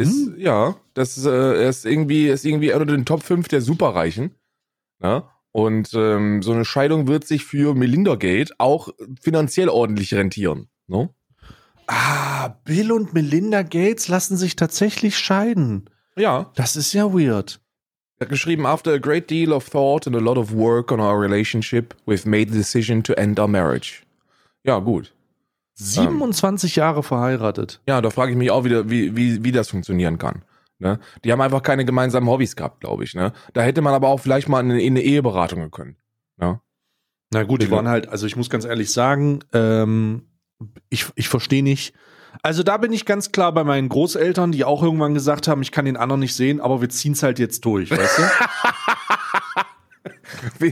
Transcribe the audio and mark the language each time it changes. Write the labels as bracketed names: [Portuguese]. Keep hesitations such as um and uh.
[German] ist, ja, das äh, ist irgendwie, ist irgendwie unter den Top 5 der Superreichen. Ne? Ja? Und ähm, so eine Scheidung wird sich für Melinda Gates auch finanziell ordentlich rentieren. No? Ah, Bill und Melinda Gates lassen sich tatsächlich scheiden. Ja. Das ist ja weird. Er hat geschrieben, [English] after a great deal of thought and a lot of work on our relationship, we've made the decision to end our marriage. [German] Ja, gut. 27 ähm. Jahre verheiratet. Ja, da frage ich mich auch wieder, wie, wie, wie das funktionieren kann. Ne? Die haben einfach keine gemeinsamen Hobbys gehabt, glaube ich. Ne? Da hätte man aber auch vielleicht mal in eine, eine Eheberatung können. Ne? Na gut, die waren halt, also ich muss ganz ehrlich sagen, ähm, ich, ich verstehe nicht, also da bin ich ganz klar bei meinen Großeltern, die auch irgendwann gesagt haben, ich kann den anderen nicht sehen, aber wir ziehen es halt jetzt durch, weißt du?